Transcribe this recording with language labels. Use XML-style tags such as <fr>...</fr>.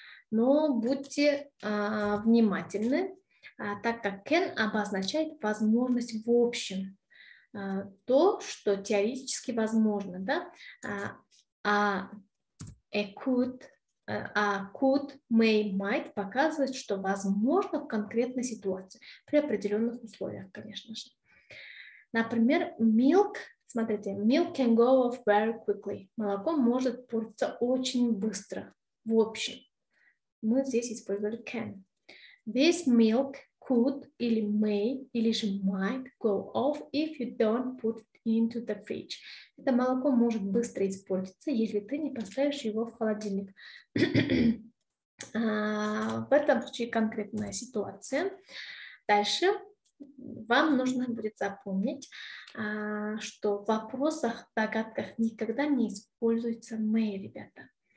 <ru>Но будьте внимательны, так как can обозначает возможность в общем, то, что теоретически возможно, да, а could, may, might показывает, что возможно в конкретной ситуации, при определенных условиях, конечно же. Например,</ru> <en>milk, смотрите, milk can go off very quickly.</en> <ru>Молоко может портиться очень быстро. В общем, мы здесь использовали can.</ru> <en>This milk could или may или же might go off if you don't put it into the fridge.</en> <ru>Это молоко может быстро испортиться, если ты не поставишь его в холодильник. В этом случае конкретная ситуация. Дальше вам нужно будет запомнить, что в вопросах, догадках никогда не используется may, ребята.</ru>